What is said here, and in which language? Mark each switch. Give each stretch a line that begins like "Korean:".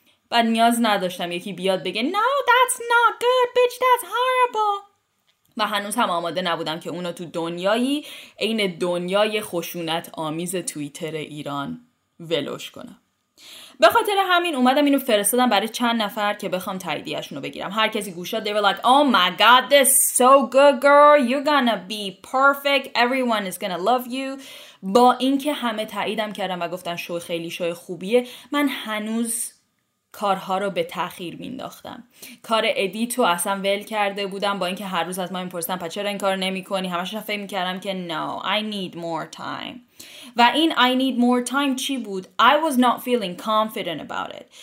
Persian: بعد نیاز نداشتم یکی بیاد بگه
English: No, that's not good, bitch, that's horrible.
Persian: و هنوز هم آماده نبودم که اونو تو دنیایی این دنیای خشونت آمیز توییتر ایران ولش کنم. به خاطر همین اومدم اینو فرستادم برای چند نفر که بخوام تاییدیه‌شون رو بگیرم. هر کسی گوشاد
English: they were like oh my god this is so good girl you're gonna be perfect everyone is gonna love you.
Persian: با اینکه همه تاییدم کردم و گفتن شو خیلی شو خوبیه، من هنوز کارها رو به تاخیر مینداختم. کار ادیتو اصلا ول کرده بودم، با اینکه هر روز از من میپرسیدن چرا این کارو نمی‌کنی، همش فکر می‌کردم که
English: no I need more time.
Persian: و این
English: I need more time
Persian: چی بود؟
English: I was not feeling confident about it.